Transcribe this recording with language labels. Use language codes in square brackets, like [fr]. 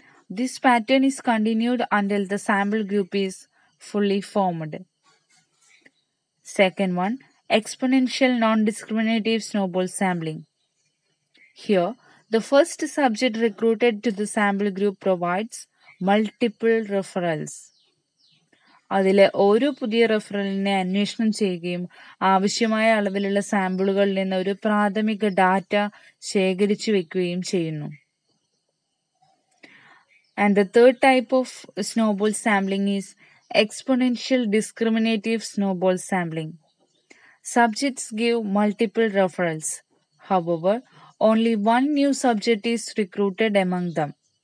[en] This pattern is continued until the sample group is fully formed. Second one, exponential non-discriminative snowball sampling. Here, the first subject recruited to the sample group provides multiple referrals. [ml] അതിലെ ഓരോ പുതിയ റെഫറലിനെ അന്വേഷണം ചെയ്യുകയും ആവശ്യമായ അളവിലുള്ള സാമ്പിളുകളിൽ നിന്ന് ഒരു പ്രാഥമിക ഡാറ്റ ശേഖരിച്ചു വെക്കുകയും ചെയ്യുന്നു. [en] And the third type of snowball sampling is exponential discriminative snowball sampling. Subjects give multiple referrals. However, only one new subject is recruited among them.